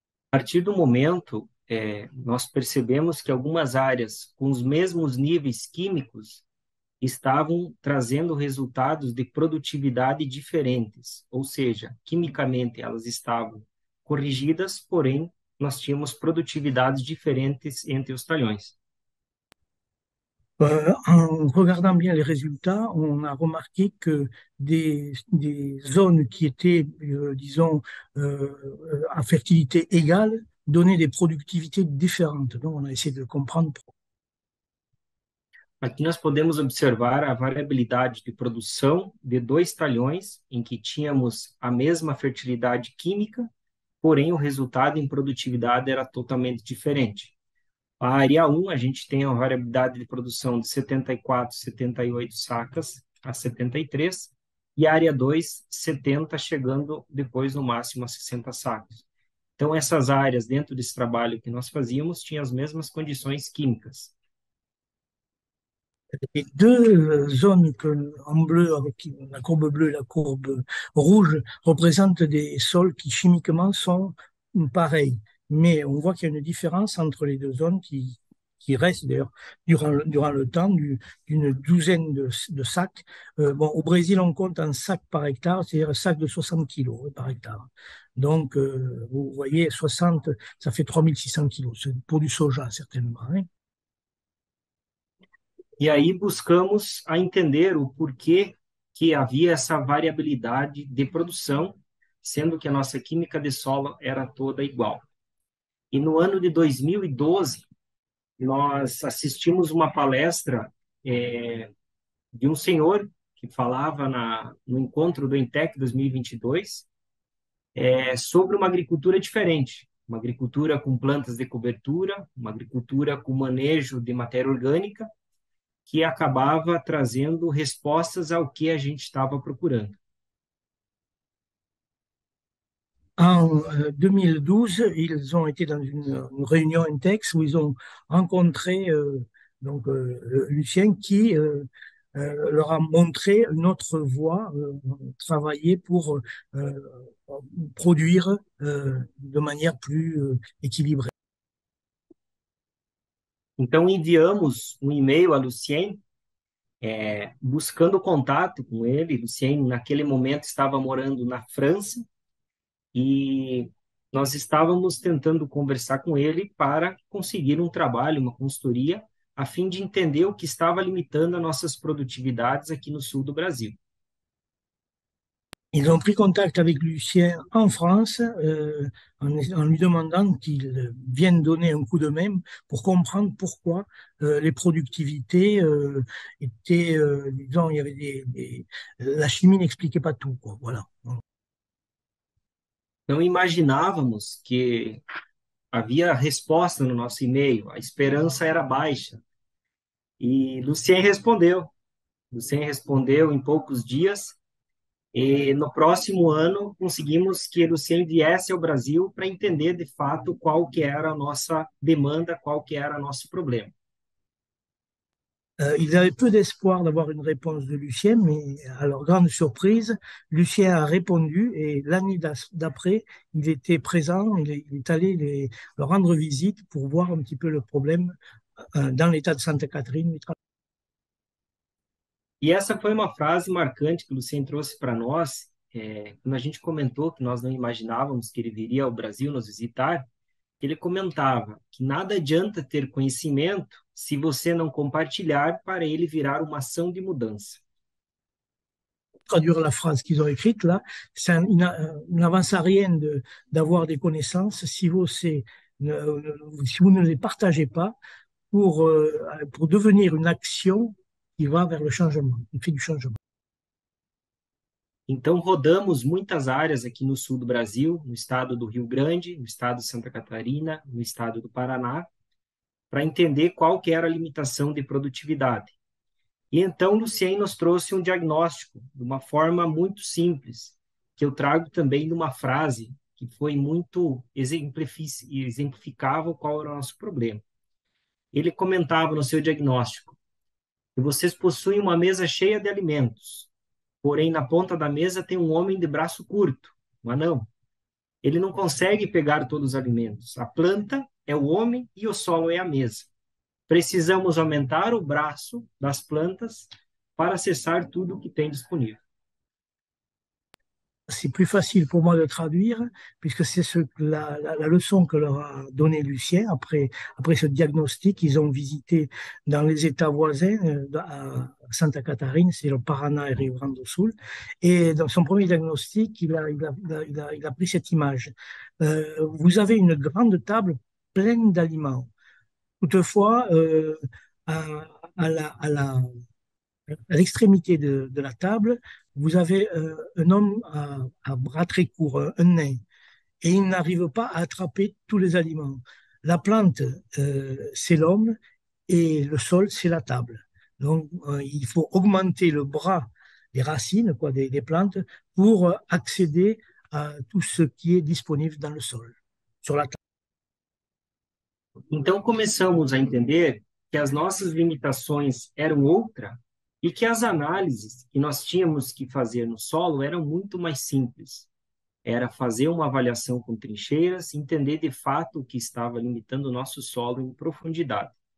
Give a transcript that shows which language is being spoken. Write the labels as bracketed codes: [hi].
[pt] A partir do momento, nós percebemos que algumas áreas com os mesmos níveis químicos estavam trazendo resultados de produtividade diferentes, ou seja, quimicamente elas estavam corrigidas, porém nós tínhamos produtividades diferentes entre os talhões. [fr] En regardant bien les résultats, on a remarqué que des zones qui étaient, disons, à fertilité égale, donnaient des productivités différentes. Donc, on a essayé de comprendre. [pt] Aqui nós podemos observar a variabilidade de produção de dois talhões em que tínhamos a mesma fertilidade química, porém o resultado em produtividade era totalmente diferente. A área 1, a gente tem uma variabilidade de produção de 74, 78 sacas a 73, e a área 2, 70, chegando depois no máximo a 60 sacas. Então, essas áreas dentro desse trabalho que nós fazíamos tinham as mesmas condições químicas. [fr] Les deux zones en bleu, avec la courbe bleue et la courbe rouge, représentent des sols qui chimiquement sont pareils. Mais on voit qu'il y a une différence entre les deux zones qui reste d'ailleurs durant le temps d'une douzaine de sacs. Bon, au Brésil, on compte un sac par hectare, c'est-à-dire un sac de 60 kilos par hectare. Donc, vous voyez, 60, ça fait 3 600 kilos. C'est pour du soja, certainement. Hein. [pt] E aí buscamos a entender o porquê que havia essa variabilidade de produção, sendo que a nossa química de solo era toda igual. E no ano de 2012, nós assistimos uma palestra de um senhor que falava no encontro do INTEC 2022 sobre uma agricultura diferente, uma agricultura com plantas de cobertura, uma agricultura com manejo de matéria orgânica, que acabava trazendo respostas ao que a gente estava procurando. [fr] En 2012, ils ont été dans une réunion INTEX où ils ont rencontré Lucien qui leur a montré une autre voie travailler pour produire de manière plus équilibrée. [pt] Então, enviamos um e-mail a Lucien, buscando contato com ele. Lucien, naquele momento, estava morando na França e nós estávamos tentando conversar com ele para conseguir um trabalho, uma consultoria, a fim de entender o que estava limitando as nossas produtividades aqui no sul do Brasil. [fr] Ils ont pris contact avec Lucien en France, en lui demandant qu'il vienne donner un coup de main pour comprendre pourquoi les productivités étaient, disons, il y avait la chimie n'expliquait pas tout, quoi. Voilà. [pt] Não imaginávamos que havia resposta no nosso e-mail, a esperança era baixa. E Lucien respondeu em poucos dias, e no próximo ano conseguimos que Lucien viesse ao Brasil para entender de fato qual que era a nossa demanda, qual que era o nosso problema. [fr] Ils avaient peu d'espoir d'avoir une réponse de Lucien, mais à leur grande surprise, Lucien a répondu et l'année d'après, il était présent, il est allé leur rendre visite pour voir un petit peu le problème dans l'état de Sainte-Catherine. [pt] E essa foi uma frase marcante que o Lucien trouxe para nós, quando a gente comentou que nós não imaginávamos que ele viria ao Brasil nos visitar. Ele comentava que nada adianta ter conhecimento se você não compartilhar para ele virar uma ação de mudança. [fr] Traduire la phrase qu'ils ont écrite là, ça n'avance à rien d'avoir des connaissances si vous ne les partagez pas pour devenir une action qui va vers le changement, qui fait du changement. [pt] Então, rodamos muitas áreas aqui no sul do Brasil, no estado do Rio Grande, no estado de Santa Catarina, no estado do Paraná, para entender qual que era a limitação de produtividade. E então, Lucien nos trouxe um diagnóstico, de uma forma muito simples, que eu trago também numa frase que foi muito exemplificava qual era o nosso problema. Ele comentava no seu diagnóstico que vocês possuem uma mesa cheia de alimentos. Porém, na ponta da mesa tem um homem de braço curto, um anão. Ele não consegue pegar todos os alimentos. A planta é o homem e o solo é a mesa. Precisamos aumentar o braço das plantas para acessar tudo o que tem disponível. [fr] C'est plus facile pour moi de traduire, puisque c'est la leçon que leur a donnée Lucien après ce diagnostic. Ils ont visité dans les États voisins, à Santa Catarina, c'est le Paraná et Rio Grande do Sul. Et dans son premier diagnostic, il a pris cette image. Vous avez une grande table pleine d'aliments. Toutefois, à l'extrémité de la table, vous avez un homme à bras très court, un nain, et il n'arrive pas à attraper tous les aliments. La plante, c'est l'homme, et le sol, c'est la table. Donc, il faut augmenter le bras, les racines, quoi, des plantes, pour accéder à tout ce qui est disponible dans le sol, sur la table. [pt] Então, começamos a entender que as nossas limitações eram outra e que as análises que nós tínhamos que fazer no solo eram muito mais simples. Era fazer uma avaliação com trincheiras, entender de fato o que estava limitando o nosso solo em profundidade.